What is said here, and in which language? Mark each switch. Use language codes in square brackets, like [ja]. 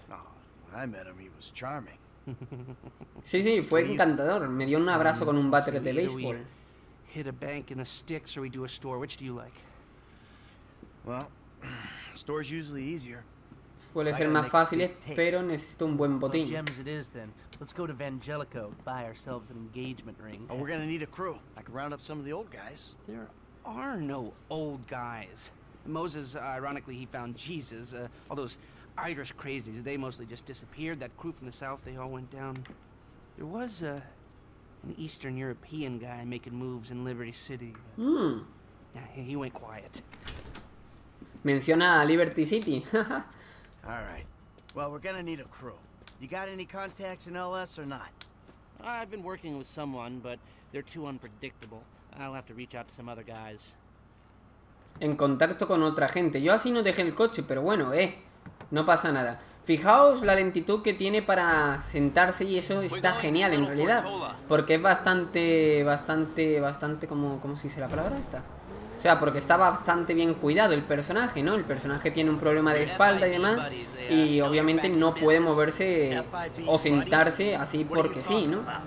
[en] Oh, when I met him, he was charming. [es] Sí, sí, fue encantador. Me dio un abrazo con un bate de béisbol. [en] Hit a bank in the sticks or we do a store. Which do you like? Well, store's usually easier. [es] Suele ser más fácil, pero necesito un buen botín. [en] Let's go to Vangelico, buy ourselves an engagement ring. Oh, we're gonna need a crew. I can round up some of the old guys. There are no old guys. Moses, ironically, he found Jesus. All those Irish crazies, they mostly just disappeared. That crew from the south, they all went down. There was an Eastern European guy making moves in Liberty City. He went quiet. [es] Menciona Liberty City. [en] All right. Well, we're gonna need a crew. You got any contacts in LS or not? I've been working with someone, but they're too unpredictable. I'll have to reach out to some other guys. [es] En contacto con otra gente. Yo así no dejé el coche, pero bueno, no pasa nada. Fijaos la lentitud que tiene para sentarse y eso está genial en realidad, porque es bastante como, ¿cómo se dice la palabra esta? O sea, porque está bastante bien cuidado el personaje, ¿no? El personaje tiene un problema de espalda y demás, y obviamente no puede moverse o sentarse así porque sí, ¿no?